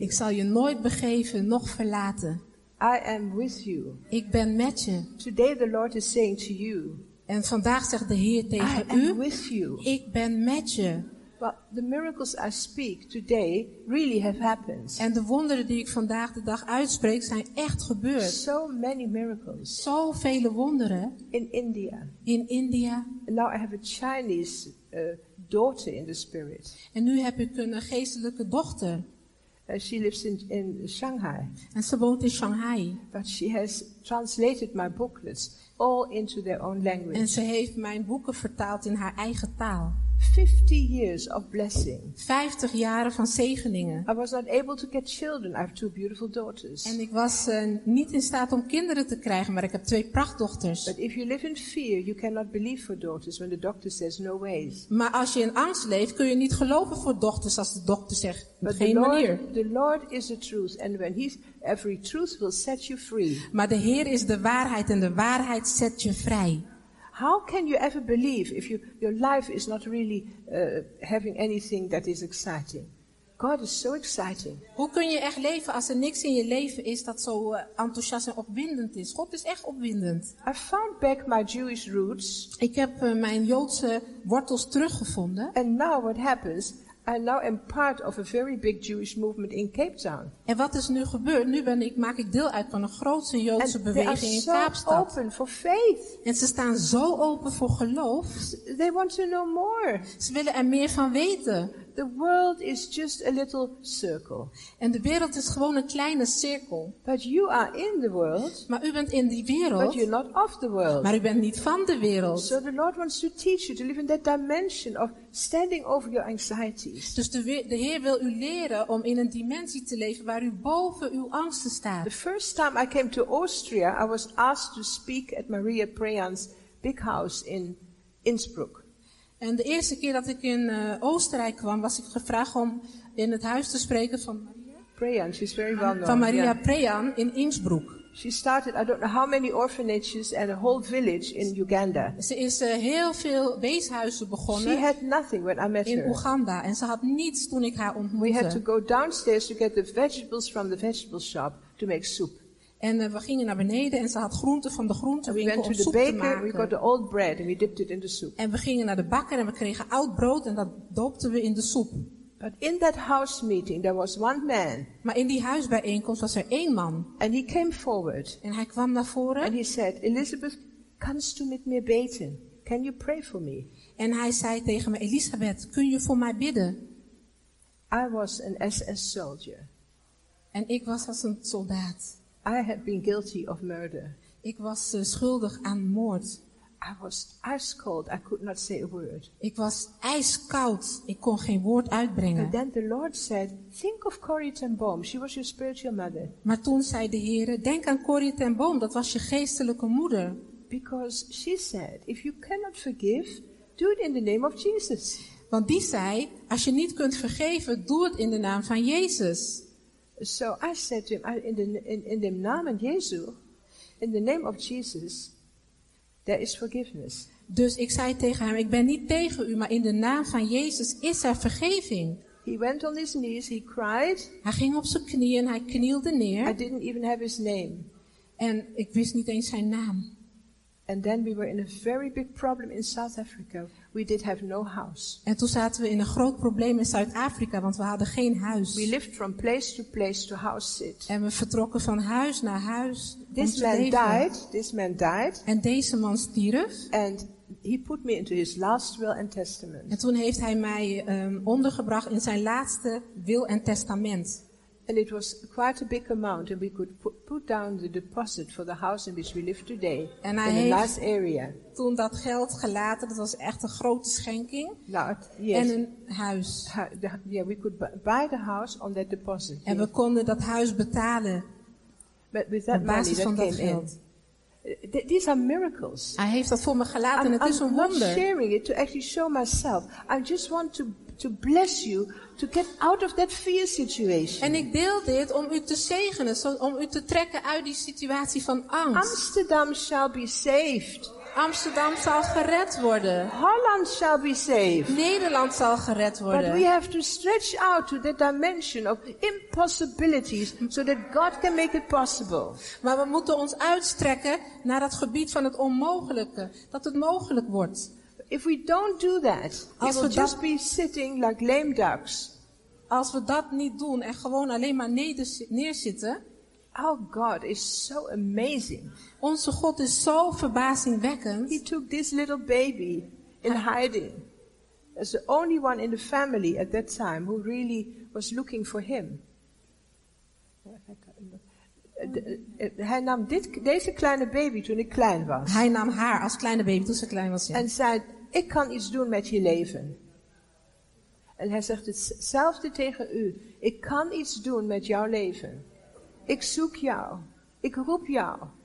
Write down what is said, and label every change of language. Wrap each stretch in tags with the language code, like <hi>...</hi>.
<nl>Ik zal je nooit begeven, nog verlaten.</nl> <en>I am with you.</en> <nl>Ik ben met je.</nl> <en>Today the Lord is saying to you.</en> <nl>En vandaag zegt de Heer tegen</nl> <en>I</en> <nl>u.</nl> <en>I am with you.</en> <nl>Ik ben met je.</nl> <en>But the miracles I speak today really have happened.</en> <nl>En de wonderen die ik vandaag de dag uitspreek zijn echt gebeurd.</nl> <en>So many miracles.</en> <nl>Zo vele wonderen.</nl> <en>In India.</en> <nl>In India.</nl> <en>And now I have a Chinese daughter in the spirit.</en> <nl>En nu heb ik een geestelijke dochter.</nl> <en>She lives in Shanghai.</en> <nl>En ze woont in Shanghai.</nl> <en>But she has translated my booklets all into their own language.</en> <nl>En ze heeft mijn boeken vertaald in haar eigen taal.</nl> <en>50 years of blessing.</en> <nl>50 jaren van zegeningen.</nl> <en>I was not able to get children. I have two beautiful daughters.</en> <nl>En ik was niet in staat om kinderen te krijgen, maar ik heb twee prachtdochters.</nl> <en>But if you live in fear, you cannot believe for daughters when the doctor says no ways.</en> <nl>Maar als je in angst leeft, kun je niet geloven voor dochters als de dokter zegt</nl> <en>but</en> <nl>geen manier.</nl> <en>The Lord is the truth, and when He's every truth will set you free.</en> <nl>Maar de Heer is de waarheid en de waarheid zet je vrij.</nl> <en>How can you ever believe if your life is not really having anything that is exciting? God is so exciting.</en> <nl>Hoe kun je echt leven als er niks in je leven is dat zo enthousiast en opwindend is? God is echt opwindend.</nl> <en>I found back my Jewish roots.</en> <nl>Ik heb mijn Joodse wortels teruggevonden.</nl> <en>And now what happens? I now am part of a very big Jewish movement in Cape Town.</en> <nl>En wat is nu gebeurd? Nu maak ik deel uit van een grote Joodse</nl> <en>And</en> <nl>beweging</nl> <en>they are</en> <nl>in Kaapstad.</nl> <en>So open for faith.</en> <nl>En ze staan zo open voor geloof.</nl> <en>They want to know more.</en> <nl>Ze willen er meer van weten.</nl> <en>The world is just a little circle.</en> <nl>En de wereld is gewoon een kleine cirkel.</nl> <en>But you are in the world.</en> <nl>Maar u bent in die wereld.</nl> <en>But you're not of the world.</en> <nl>Maar u bent niet van de wereld.</nl> <en>So the Lord wants to teach you to live in that dimension of standing over your anxieties.</en> <nl>Dus de Heer wil u leren om in een dimensie te leven waar u boven uw angsten staat.</nl> <en>The first time I came to Austria, I was asked to speak at Maria Prejan's big house in Innsbruck.</en> <nl>En de eerste keer dat ik in Oostenrijk kwam, was ik gevraagd om in het huis te spreken van Maria</nl> <en>Prejan. She's very well known.</en> <nl>Van Maria Prejan in Innsbruck.</nl> <en>She started, I don't know how many orphanages and a whole village in Uganda.</en> <nl>Ze is heel veel weeshuizen begonnen.</nl> <en>She had nothing when I met</en> <nl>in</nl> <en>her.</en> <nl>Uganda. En ze had niets toen ik haar ontmoette.</nl> <en>We had to go downstairs to get the vegetables from the vegetable shop to make soup.</en> <nl>En we gingen naar beneden en ze had groenten van de groentewinkel</nl> <en>we went</en> <nl>om</nl> <en>to the</en> <nl>soep</nl> <en>baker,</en> <nl>te maken.</nl> <en>We got the old bread and we dipped it in the soup.</en> <nl>En we gingen naar de bakker en we kregen oud brood en dat doopten we in de soep.</nl> <en>But in that house meeting there was one man.</en> <nl>Maar in die huisbijeenkomst was er één man.</nl> <en>And he came forward.</en> <nl>En hij kwam naar voren.</nl> <en>And he said, Elizabeth,</en> <de>kannst du mit mir beten?</de> <en>Can you pray for me?</en> <nl>En hij zei tegen me, Elisabeth, kun je voor mij bidden?</nl> <en>I was an SS soldier.</en> <nl>En ik was als een soldaat.</nl> <en>I had been guilty of murder.</en> <nl>Ik was schuldig aan moord.</nl> <en>I was ice cold. I could not say a word.</en> <nl>Ik was ijskoud. Ik kon geen woord uitbrengen.</nl> <en>And then the Lord said, "Think of Corrie ten Boom. She was your spiritual mother."</en> <nl>Maar toen zei de Heer, denk aan Corrie ten Boom. Dat was je geestelijke moeder.</nl> <en>Because she said, "If you cannot forgive, do it in the name of Jesus."</en> <nl>Want die zei, als je niet kunt vergeven, doe het in de naam van Jezus.</nl> <en>So I said to him, in the name of Jesus, in the name of Jesus, there is forgiveness.</en> <nl>Dus ik zei tegen hem, ik ben niet tegen u, maar in de naam van Jezus is er vergeving.</nl> <en>He went on his knees, he cried.</en> <nl>Hij ging op zijn knieën, hij knielde neer.</nl> <en>I didn't even have his name.</en> <nl>En ik wist niet eens zijn naam.</nl> <en>And then we were in a very big problem in South Africa. We did have no house.</en> <nl>En toen zaten we in een groot probleem in Zuid-Afrika, want we hadden geen huis.</nl> <en>We lived from place to house sit.</en> <nl>En we vertrokken van huis naar huis.</nl> <en>This man died. This man died.</en> <nl>En deze man stierf.</nl> <en>And he put me into his last will and testament.</en> <nl>En toen heeft hij mij ondergebracht in zijn laatste wil en testament.</nl> <en>And it was quite a big amount, and we could put down the deposit for the house in which we live today</en> <nl>en</nl> <en>in the last area.</en> <nl>Toen dat geld gelaten, dat was echt een grote schenking.</nl> <en>Yes.</en> <nl>En een huis.</nl> <en>We could buy the house on that deposit.</en> <nl>En we konden dat huis betalen.</nl> <en>But with that</en> <nl>op basis van</nl> <en>that</en> <nl>dat</nl> <en>came</en> <nl>geld.</nl> <en>In. These are miracles.</en> <nl>Hij heeft dat voor me gelaten. En het</nl> <en>I'm</en> <nl>is een wonder.</nl> <en>I'm not sharing it to actually show myself. I just want to bless you to get out of that fear situation.</en> <nl>En ik deel dit om u te zegenen, om u te trekken uit die situatie van angst.</nl> <en>Amsterdam shall be saved.</en> <nl>Amsterdam zal gered worden.</nl> <en>Holland shall be saved.</en> <nl>Nederland zal gered worden.</nl> <en>But we have to stretch out to the dimension of impossibilities so that God can make it possible.</en> <nl>Maar we moeten ons uitstrekken naar dat gebied van het onmogelijke, dat het mogelijk wordt.</nl> <en>If we don't do that,</en> <nl>als</nl> <en>we just be sitting like lame ducks.</en> <nl>Als we dat niet doen en gewoon alleen maar neerzitten.</nl> <en>Our God is so amazing.</en> <nl>Onze God is zo verbazingwekkend.</nl> <en>He took this little baby in hiding. As the only one in the family at that time who really was looking for him.</en> <nl>Hij nam deze kleine baby toen ik klein was. Hij nam haar als kleine baby toen ze klein was. En zei, ik kan iets doen met je leven. En hij zegt hetzelfde tegen u. Ik kan iets doen met jouw leven. Ik zoek jou. Ik roep jou.</nl>